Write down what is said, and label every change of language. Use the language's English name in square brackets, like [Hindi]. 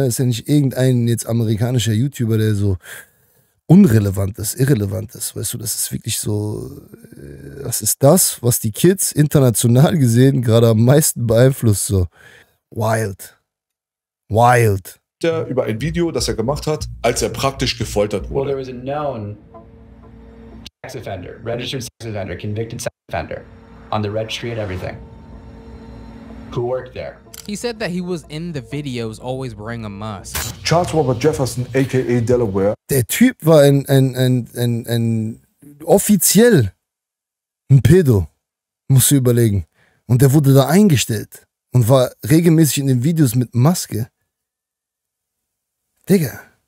[German] Das ist ja nicht irgendein jetzt amerikanischer YouTuber, der so unrelevant ist, irrelevant ist. Weißt du, das ist wirklich so, das ist das, was die Kids international gesehen gerade am meisten beeinflusst. So wild. Wild. Der über ein Video, das er gemacht hat, als er praktisch gefoltert wurde. [English] Well, there was a known sex offender, registered sex offender, convicted sex offender, on the registry and everything, who worked there. He said that he was in the videos, always wearing a mask. Charles Robert Jefferson, aka Delaware. [German] Der Typ war ein offiziell ein Pedo, musst du überlegen. Und der wurde da eingestellt und war regelmäßig in den Videos mit Maske. Digga.